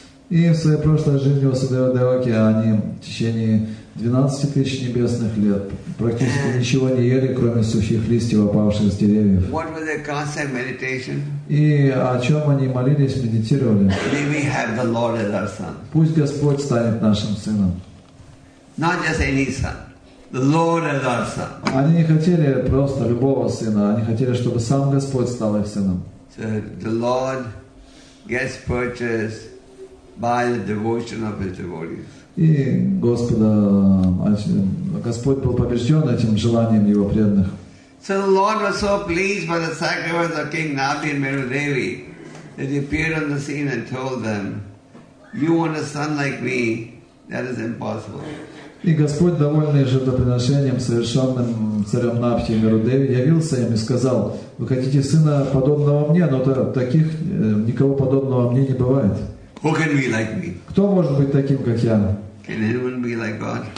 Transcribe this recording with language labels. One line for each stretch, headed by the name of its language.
Russian: И в своей прошлой жизни Васудева Деваки, они в течение 12 тысяч небесных лет практически ничего не ели, кроме сухих листьев, опавших с деревьев.
English: What was their constant meditation?
Russian: И о чем они молились, медитировали?
English: May we have the Lord as our son.
Russian: Пусть Господь станет нашим сыном.
English: Not just any son. The Lord as our son.
Russian: Они не хотели просто любого сына, они хотели, чтобы сам Господь стал их сыном.
English: So the Lord gets purchased by the devotion of his devotees.
Russian: И Господь был побежден этим желанием его преданных.
English: So the Lord was so pleased by the sacrifice of King Nabi and Meru Devi that he appeared on the scene and told them, "You want a son like me? That is impossible."
Russian: И Господь, довольный жертвоприношением, совершенным царем Навши и Меру Деви, явился им и сказал: "Вы хотите сына подобного мне, но таких никого подобного мне не бывает."
English: Who can be like me?
Russian: Кто может быть таким, как я?
English: Can anyone be like God?